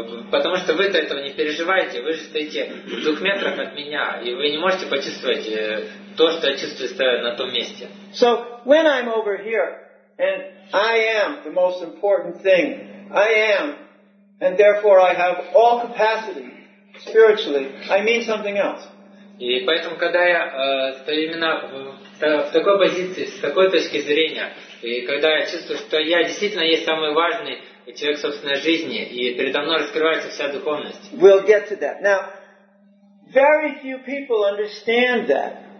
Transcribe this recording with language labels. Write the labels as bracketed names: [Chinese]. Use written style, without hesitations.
[Russian] Потому что вы-то этого не переживаете, вы же стоите в 2 метрах от меня, и вы не можете почувствовать то, что я чувствую, стоя на том месте. [English] So when I'm over here, and I am the most important thing, I am, and therefore I have all capacity spiritually, I mean something else. [Russian] И поэтому, когда я стою именно в такой позиции, с такой точки зрения, и когда я чувствую, что я действительно есть самый важный человек собственной жизни, и передо мной раскрывается вся духовность. [English] We'll get to that. Now, very few people understand that.